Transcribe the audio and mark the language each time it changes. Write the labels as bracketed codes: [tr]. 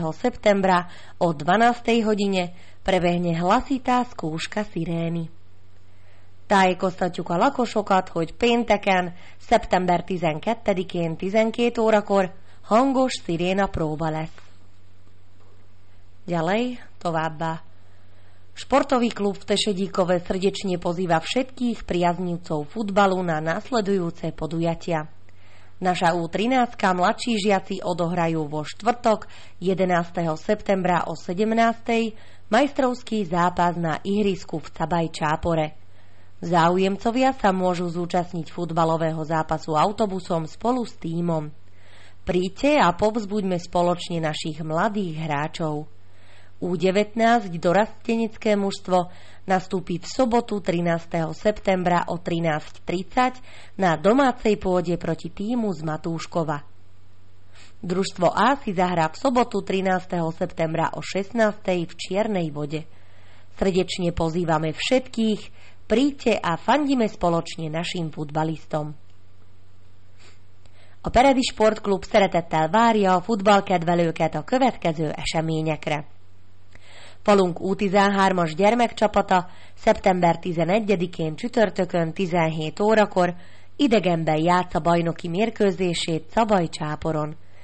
[sk] septembra o 12. hodine prebehne hlasitá skúška sirény. [hu] Tájékoztatjuk a lakosokat, hogy pénteken, szeptember 12-én 12 órakor hangos sziréna próba lesz. [sk] Ďalej, [hu] továbbá. [sk] Sportový klub v Tešedíkove srdečne pozýva všetkých priaznivcov futbalu na nasledujúce podujatia. Naša U13 mladší žiaci odohrajú vo štvrtok 11. septembra o 17. majstrovský zápas na ihrisku v Cabaj Čápore. Záujemcovia sa môžu zúčastniť futbalového zápasu autobusom spolu s tímom. Príďte a povzbuďme spoločne našich mladých hráčov. U19 dorastenecké mužstvo nastúpi v sobotu 13. septembra o 13:30 na domácej pôde proti tímu z Matúškova. Družstvo A si zahrá v sobotu 13. septembra o 16:00 v Čiernej vode. Srdečne pozývame všetkých, príďte a fandime spoločne našim futbalistom. [hu] A Peredi Sportklub szeretettel várja a futballkedvelőket a következő eseményekre. Falunk U13-as gyermekcsapata szeptember 11-én csütörtökön 17 órakor idegenben játsz a bajnoki mérkőzését Cabaj Csáporon.